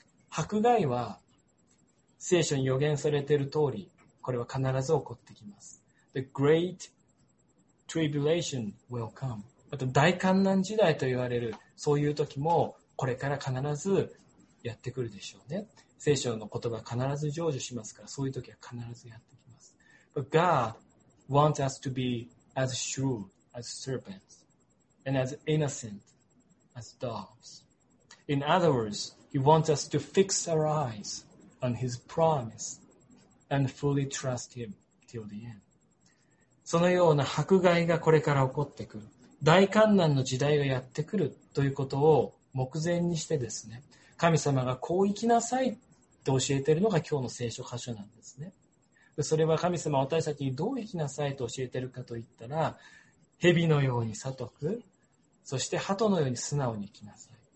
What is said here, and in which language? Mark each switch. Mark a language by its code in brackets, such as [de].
[ja] 迫害は聖書に予言されている通り、これは必ず起こってきます。 [en] The great tribulation will come. [ja] あと大患難時代と言われる、そういう時もこれから必ずやってくるでしょうね。聖書の言葉は必ず成就しますから、そういう時は必ずやってきます。 [en] But God wants us to be as shrewd as serpents. And as innocent as doves. In other words, he wants us to fix our eyes on his promise and fully trust him till the end. [ja] そのような迫害がこれから起こってくる、大患難の時代がやってくるということを目前にしてですね、神様がこう生きなさいって教えているのが今日の聖書箇所なんですね。それは神様私たちにどう生きなさいと教えているかといったら、蛇のように悟く、そして鳩のように素直に生きなさい。